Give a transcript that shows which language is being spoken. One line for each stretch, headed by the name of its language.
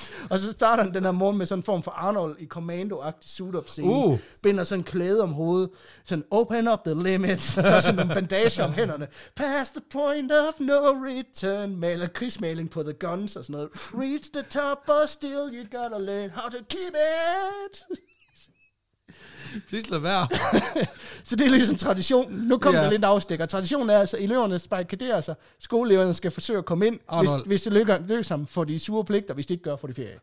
Danish: Og så starter han den her morgen med sådan en form for Arnold i commando-agtig suit-up-scene. Binder sådan en klæde om hovedet. Sådan,
English: open up the limits.
Danish: Tager sådan en bandage om hænderne.
English: Pass the point of no return.
Danish: Maler krigsmaling på the guns og sådan noget.
English: Reach the top, but still you gotta learn how to keep it.
Danish: Please lad være. Så det er ligesom traditionen. Nu kommer der lidt afstikker. Traditionen er altså, eleverne spikaderer sig. Skoleeleverne skal forsøge at komme ind. Hvis det lykkes ham, får de sure pligter. Hvis det ikke gør, får de ferie.